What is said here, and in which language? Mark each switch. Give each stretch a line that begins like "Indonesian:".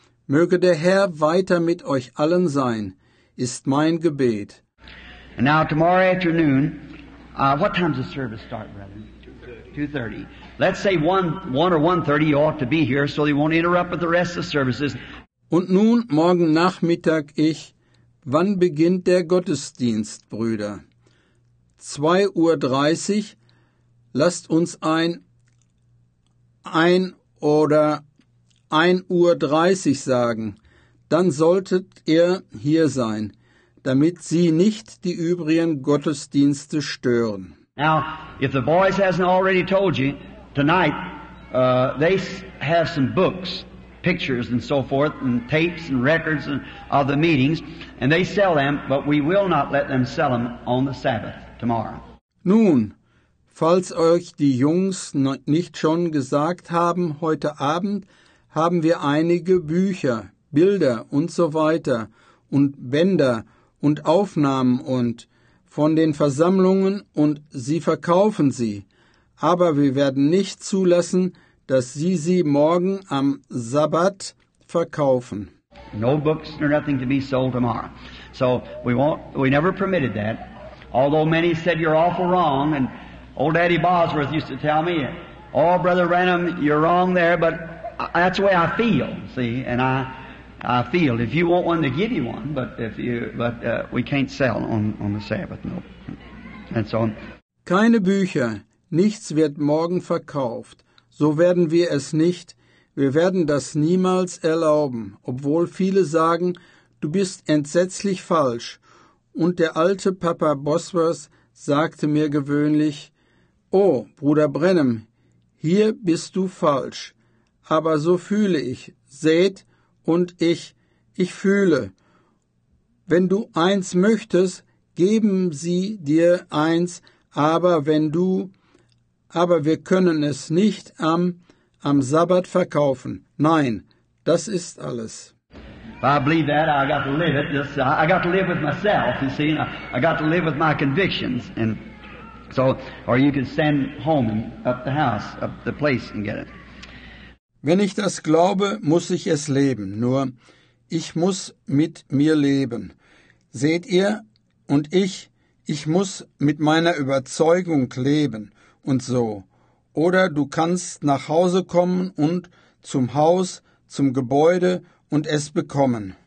German: Möge der Herr weiter mit euch allen sein, ist mein Gebet.
English: Now tomorrow afternoon, what time does service start, brethren? 2:30. Let's say 1 or 1:30, you ought to be here, so they won't interrupt with the rest of the services.
German: Und nun, morgen Nachmittag, wann beginnt der Gottesdienst, Brüder? 2:30 Uhr, lasst uns ein oder 1:30 Uhr sagen, dann solltet ihr hier sein, damit sie nicht die übrigen Gottesdienste stören.
English: Now, if the boys hasn't already told you, tonight, they have some books, pictures and so forth, and tapes and records of the meetings, and they sell them, but we will not let them sell them on the Sabbath tomorrow.
German: Nun, falls euch die Jungs nicht schon gesagt haben, heute Abend haben wir einige Bücher, Bilder und so weiter und Bänder und Aufnahmen und von den Versammlungen und sie verkaufen sie. Aber wir werden nicht zulassen, dass sie sie morgen am Sabbat verkaufen.
English: No books nor nothing to be sold tomorrow. So we never permitted that. Although many said you're awful wrong, and old Daddy Bosworth used to tell me, oh, Brother Branham, you're wrong there, but that's the way I feel, see, and I feel. If you want one, they give you one, but we can't sell on the Sabbath, no. And so on.
German: Keine Bücher, nichts wird morgen verkauft. So werden wir es nicht. Wir werden das niemals erlauben, obwohl viele sagen, du bist entsetzlich falsch. Und der alte Papa Bosworth sagte mir gewöhnlich, oh, Bruder Branham, hier bist du falsch. Aber so fühle ich, seht, und ich fühle. Wenn du eins möchtest, geben sie dir eins, aber wir können es nicht am Sabbat verkaufen. Nein, das ist alles.
English: If I believe that, I got to live it. Just, I got to live with myself, you see. I got to live with my convictions. And so, or you can send home up the house, up the place and get it.
German: Wenn ich das glaube, muss ich es leben. Nur, ich muss mit mir leben. Seht ihr? Und ich muss mit meiner Überzeugung leben. Und so. Oder du kannst nach Hause kommen und zum Haus, zum Gebäude und es bekommen.